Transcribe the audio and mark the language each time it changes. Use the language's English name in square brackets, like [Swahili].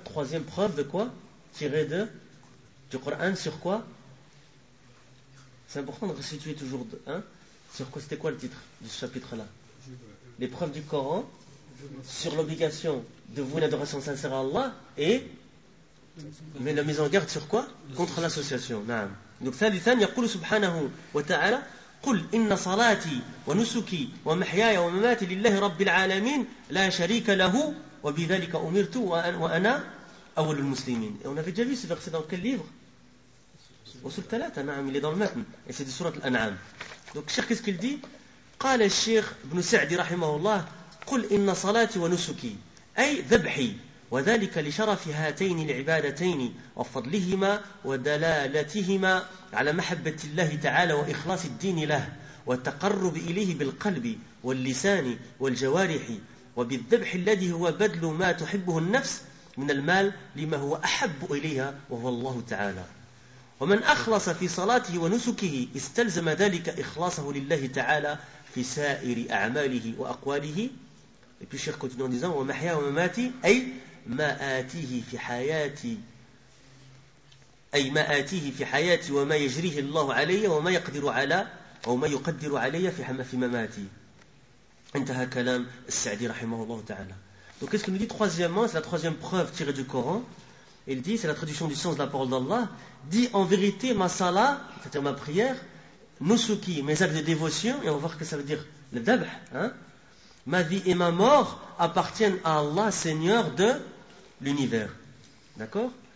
[French] Troisième preuve de quoi? Tirée de du Coran sur quoi? C'est important de restituer toujours de, hein? Sur quoi? C'était quoi le titre de ce chapitre-là? Les preuves du Coran sur l'obligation de vouer une adoration sincère à Allah et mais la mise en garde sur quoi? Contre l'association. Naam. [Arabic] Donc Thalithan yaqulu subhanahu wa ta'ala قل إن صلاتي ونسكي ومحياي ومماتي لله رب العالمين لا شريك له وبذلك أمرت وأنا أول المسلمين. [French] Et on avait déjà vu ce verset dans quel livre? Sur Talata, naam, il est dans le matin. Et c'est de sourate Al-An'am. Donc, Cheikh, qu'est-ce qu'il dit? [Arabic] قال الشيخ ابن سعدي رحمه الله قل إن صلاتي ونسكي أي ذبحي وذلك لشرف هاتين العبادتين وفضلهما ودلالتهما على محبة الله تعالى وإخلاص الدين له والتقرب إليه بالقلب واللسان والجوارح وبالذبح الذي هو بدل ما تحبه النفس من المال لما هو أحب إليها وهو الله تعالى ومن أخلص في صلاته ونسكه استلزم ذلك إخلاصه لله تعالى في سائر أعماله وأقواله الشيخ كنتنون ديزان ومحيا ومماتي أي ما آتيه في حياتي أي ما آتيه في حياتي وما يجريه الله علي وما يقدر على أو ما يقدر علي في مماتي انتهى كلام السعدي رحمه الله تعالى. [French] Donc qu'est-ce qu'il nous dit troisièmement? C'est la troisième preuve tirée du Coran. Il dit, c'est la traduction du sens de la parole d'Allah, dit en vérité ma salah, c'est-à-dire ma prière, nusuki, mes actes de dévotion, et on va voir que ça veut dire le dabh, hein? Ma vie et ma mort appartiennent à Allah, Seigneur de l'univers. D'accord?